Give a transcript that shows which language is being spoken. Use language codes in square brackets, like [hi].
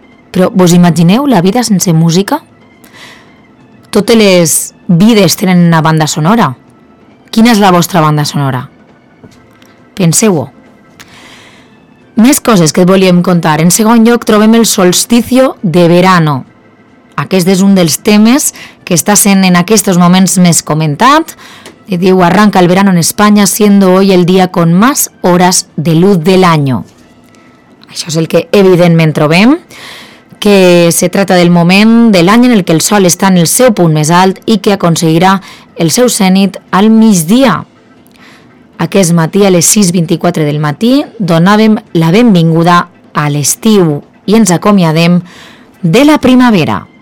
[ca] Però vos imagineu la vida sense música? Totes les vides tenen una banda sonora. Quina és la vostra banda sonora? Penseu-ho. Més coses que et volíem contar. En segon lloc trobem el solsticio de verano. Aquest és un dels temes que està sent en aquests moments més comentat. I diu, [es] arranca el verano en Espanya siendo hoy el día con más horas de luz del año. [ca] Això és el que evidentment trobem, que [es] se trata del [ca] moment de l'any en el que el sol està en el seu punt més alt i que aconseguirà el seu zenit al migdia. Aquest matí a les 6:24 del matí donàvem la benvinguda a l'estiu i ens acomiadem de la primavera.